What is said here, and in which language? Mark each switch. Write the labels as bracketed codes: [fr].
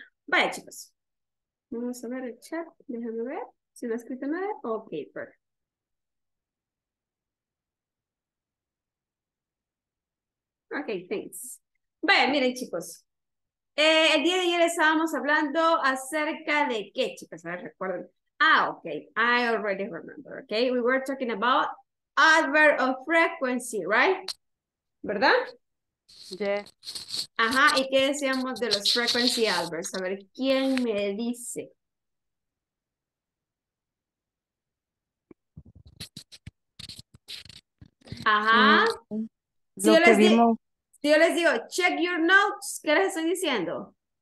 [es] Vaya, chicos. Vamos a ver el chat. Déjame ver. ¿Si no ha escrito nada? Ok, perfecto. [en] Ok, thanks. [es] Vaya, miren, chicos. El día de ayer estábamos hablando acerca de qué, chicas, a ver, recuerden. [en] Ah, okay, I already remember, okay? We were talking about adverb of frequency, right? [es] ¿Verdad? [en] Yeah. [es] Ajá, ¿y qué decíamos de los frequency adverbs? A ver, ¿quién me dice? Ajá. Sí, yo les digo. Yo les digo, [en] check your notes. [es] ¿Qué les estoy diciendo?